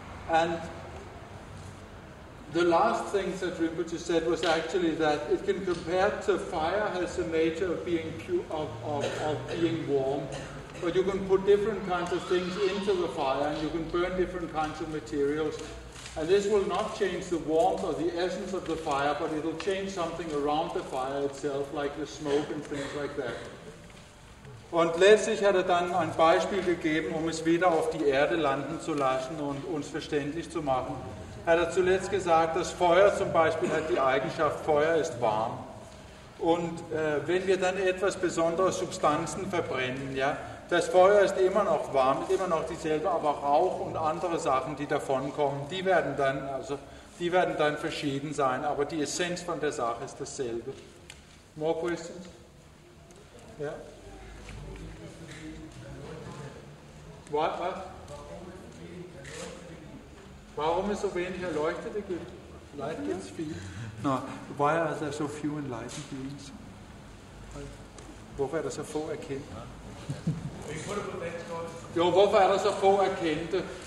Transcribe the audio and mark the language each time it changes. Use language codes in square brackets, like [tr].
[en] And the last thing that Rinpoche said was actually that it can compare to fire has the nature of being pure, of being warm, but you can put different kinds of things into the fire and you can burn different kinds of materials. And this will not change the warmth or the essence of the fire, but it'll change something around the fire itself, like the smoke and things like that. [de] Und letztlich hat dann ein Beispiel gegeben, um es wieder auf die Erde landen zu lassen und uns verständlich zu machen. Hat zuletzt gesagt, das Feuer zum Beispiel hat die Eigenschaft, Feuer ist warm. Und wenn wir dann etwas besondere Substanzen verbrennen, ja, das Feuer ist immer noch warm, immer noch dieselbe, aber Rauch und andere Sachen, die davon kommen, die werden dann verschieden sein, aber die Essenz von der Sache ist dasselbe. [en] More questions? [de] Ja? [en] What? [de] Warum es so wenig Erleuchtete gibt? Leid gibt es viel. [en] No, why are there so few enlightened beings? [da] Hvorfor er der så få erkendte? Jo, hvorfor er der så få erkendte?